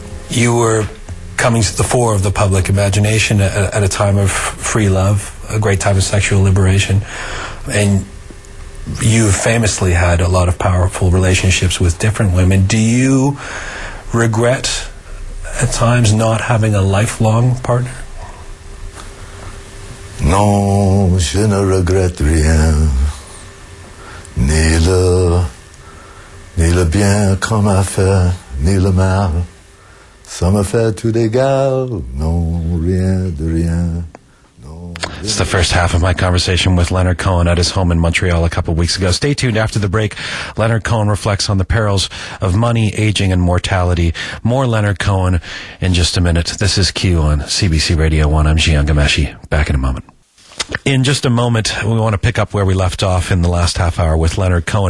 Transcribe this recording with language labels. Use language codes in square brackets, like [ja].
[en] You were coming to the fore of the public imagination at a time of free love, a great time of sexual liberation, and you famously had a lot of powerful relationships with different women. Do you regret at times not having a lifelong partner? [fr] Non, je ne regrette rien, ni le bien comme a fait, ni le mal. Ça m'a fait tout égal, non, rien de rien. [en] It's the first half of my conversation with Leonard Cohen at his home in Montreal a couple weeks ago. Stay tuned after the break. Leonard Cohen reflects on the perils of money, aging, and mortality. More Leonard Cohen in just a minute. This is Q on CBC Radio 1. I'm Gian Gameshi. Back in a moment. In just a moment, we want to pick up where we left off in the last half hour with Leonard Cohen.